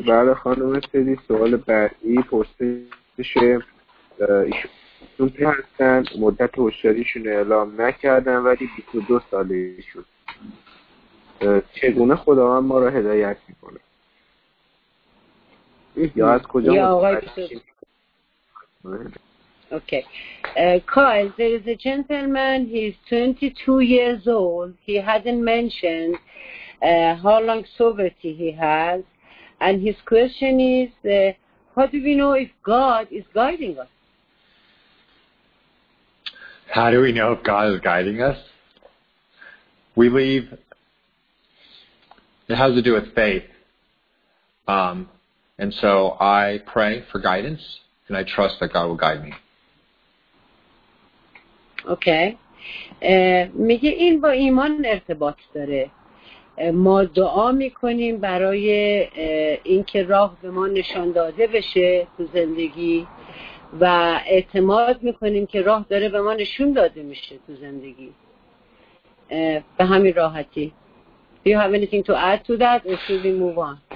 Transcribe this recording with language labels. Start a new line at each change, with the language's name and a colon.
Persian: بله خانم سیدی، سوال بعدی پرسش ایشون هستن. مدت هوشیاریشون اعلام نکردن ولی 22 ساله ایشون. چگونه خداوند ما را هدایت میکنه؟ یا از کجا متوجه؟ Okay.
English: Kyle, there is a gentleman, he's 22 years old. He hasn't mentioned how long sobriety he has. And his question is, how do we know if God is guiding us? How do we know if God is guiding us? We believe it has to do with faith. And so I pray for guidance, and I trust that God will guide me.
Persian: اوکی. میگه این با ایمان ارتباط داره. ما دعا میکنیم برای اینکه راه به ما نشان داده بشه تو زندگی و اعتماد میکنیم که راه داره به ما نشون داده میشه تو زندگی. به همین راحتی.
English: Do you have anything to add to that or should we move on?